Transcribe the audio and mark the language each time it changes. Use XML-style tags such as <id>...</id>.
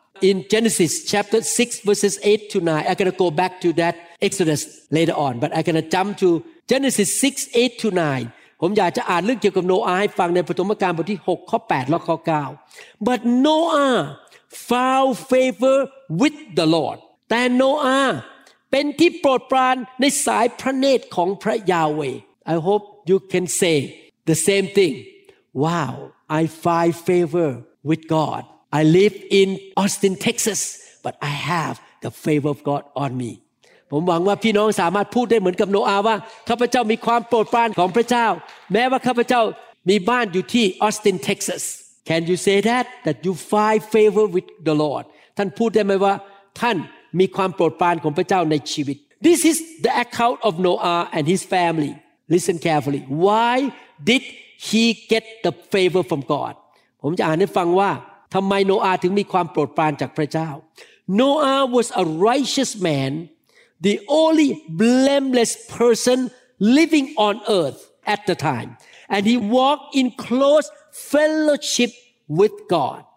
<en>in Genesis chapter 6 verses 8 to 9 I'm going to go back to that Exodus later on but I'm going to jump to Genesis 6 8 to 9</en> <th>ผมอยากจะอ่านเรื่องเกี่ยวกับโนอาให้ฟังในปฐมกาลบทที่6ข้อ8และข้อ9</th> <en>But Noah found favor with the Lord</en> <th>แต่โนอาเป็นที่โปรดปรานในสายพระเนตรของพระยาเว</th> <en>I hope you can say the same thing. Wow, I find favor with God. I live in Austin, Texas, but I have the favor of God on me.</en> <th>ผมหวังว่าพี่น้องสามารถพูดได้เหมือนกับโนอาว่าข้าพเจ้ามีความโปรดปรานของพระเจ้าแม้ว่าข้าพเจ้ามีบ้านอยู่ที่ Austin, Texas.</th> <en>Can you say that you find favor with the Lord?</en> <th>ท่านพูดได้ไหมว่าท่านมีความโปรดปรานของพระเจ้าในชีวิต</th> <en>This is the account of Noah and his family. Listen carefully. Why did he get the favor from God?</en> <th>ผมจะอ่านให้ฟังว่าทำไมโนอาถึงมีความโปรดปรานจากพระเจ้า</th> <en>Noah was a righteous man, the only blameless person living on earth at the time, and he walked in close fellowship with God.</en>